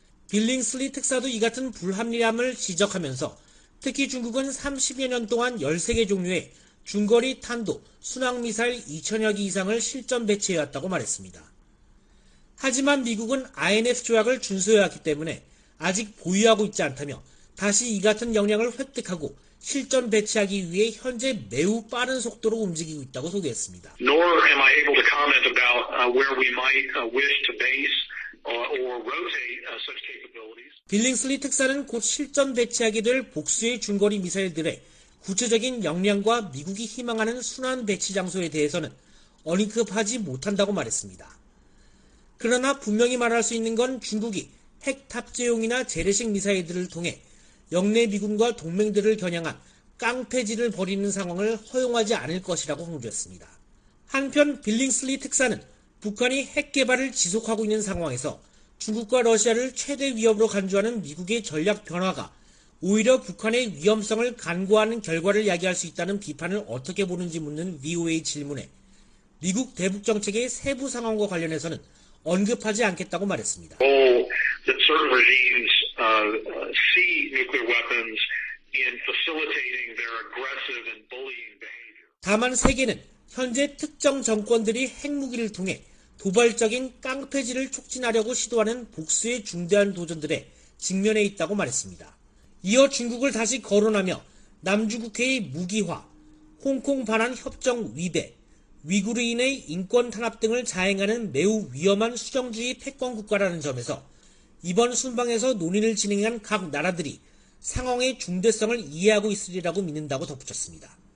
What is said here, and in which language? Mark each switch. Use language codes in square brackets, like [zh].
[ko] 빌링슬리 특사도 이 같은 불합리함을 지적하면서 특히 중국은 30여 년 동안 13개 종류의 중거리 탄도, 순항미사일 2,000여기 이상을 실전 배치해왔다고 말했습니다. 하지만 미국은 INF 조약을 준수해왔기 때문에 아직 보유하고 있지 않다며 다시 이 같은 역량을 획득하고 실전 배치하기 위해 현재 매우 빠른 속도로 움직이고 있다고 소개했습니다. [en] Nor am I able to comment about where we might wish to base or rotate such capabilities. [ko] 빌링슬리 특사는 곧 실전 배치하게 될 복수의 중거리 미사일들의 구체적인 역량과 미국이 희망하는 순환 배치 장소에 대해서는 언급하지 못한다고 말했습니다. 그러나 분명히 말할 수 있는 건 중국이 핵 탑재용이나 재래식 미사일들을 통해 역내 미군과 동맹들을 겨냥한 깡패질을 벌이는 상황을 허용하지 않을 것이라고 강조했습니다. 한편 빌링슬리 특사는 북한이 핵 개발을 지속하고 있는 상황에서 중국과 러시아를 최대 위협으로 간주하는 미국의 전략 변화가 오히려 북한의 위험성을 간과하는 결과를 야기할 수 있다는 비판을 어떻게 보는지 묻는 VOA 질문에 미국 대북 정책의 세부 상황과 관련해서는 언급하지 않겠다고 말했습니다. [en] See nuclear weapons in facilitating their aggressive and bullying behavior. [ko] 다만 세계는 현재 특정 정권들이 핵무기를 통해 도발적인 깡패질을 촉진하려고 시도하는 복수의 중대한 도전들에 직면해 있다고 말했습니다. 이어 중국을 다시 거론하며 남중국해의 무기화, 홍콩 반환 협정 위배, 위구르인의 인권 탄압 등을 자행하는 매우 위험한 수정주의 패권 국가라는 점에서 이번 순방에서 논의를 진행한 각 나라들이 상황의 중대성을 이해하고 있으리라고 믿는다고 덧붙였습니다.